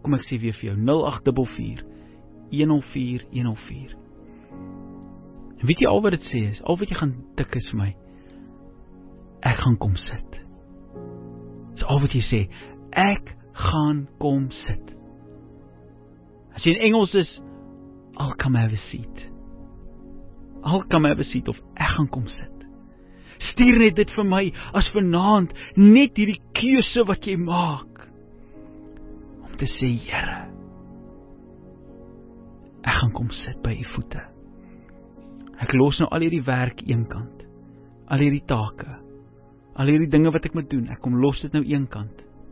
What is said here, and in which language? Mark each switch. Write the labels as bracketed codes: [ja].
[af] Kom, ek sê weer vir jou, 0844 104 104. En weet jy al wat dit sê is? Al wat jy gaan tik is vir my, ek gaan kom sit. Dis al wat jy sê, ek gaan kom sit. As jy in Engels is, [en] I'll come have a seat. I'll come have a seat, [af] of ek gaan kom sit. Stuur net dit vir my as vanaand net hierdie keuse wat jy maak om te sê, Here, ek gaan kom sit by u voete. Ek los nou al hierdie werk eenkant, al hierdie take, al hierdie dinge wat ek moet doen, ek kom los dit nou eenkant.